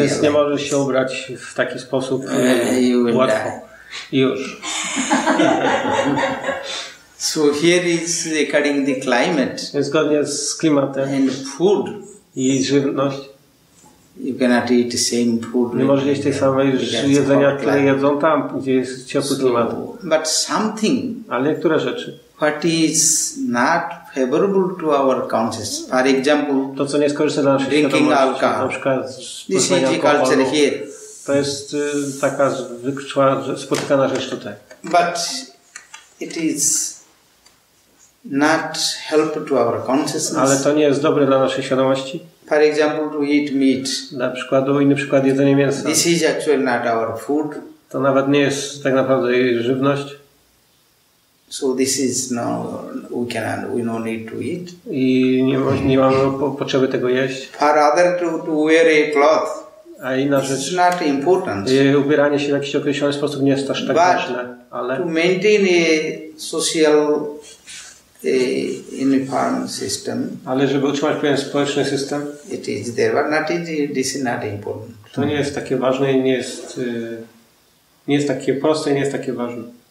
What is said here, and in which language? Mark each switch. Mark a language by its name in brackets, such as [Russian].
[Polish] Więc nie możesz się ubrać w taki sposób łatwo. Już. [English] So here is according the climate. [Polish] Zgodnie z klimatem. [English] And food. [Polish] I żywność. [English] You cannot eat the same food. [Polish] Nie możesz jeść tej samej jedzenia, które jedzą tam, gdzie jest ciepły klimat. [English] But something. [Polish] Ale niektóre rzeczy. [English] What is not favorable to our consciousness. For example. [Polish] To co nie jest korzystne dla naszej [English] drinking [Polish] świadomości. [English] Drinking alcohol. [Polish] Na przykład. [English] This is the culture here. [Polish] To jest taka zwykła, spotykana rzecz tutaj. [English] But it is not help to our consciousness. [Polish] Ale to nie jest dobre dla naszej świadomości. [English] For example, to eat meat. [Polish] Na przykład, inny przykład, jedzenie mięsa. [English] This is actually not our food. [Polish] To nawet nie jest tak naprawdę jej żywność. [English] So this is now we cannot, we no need to eat. [Polish] I nie mamy potrzeby tego jeść. [English] For other to wear a cloth. [Polish] A inna rzecz, [English] not important. [Polish] Ubieranie się w jakiś określony sposób nie jest aż tak ważne, ale... [English] To maintain a social informed system. [Polish] Ale żeby utrzymać pewien społeczny system. [English] It is there, but not easy, this is not important. [Polish] To nie jest takie ważne i nie jest takie proste i nie jest takie ważne.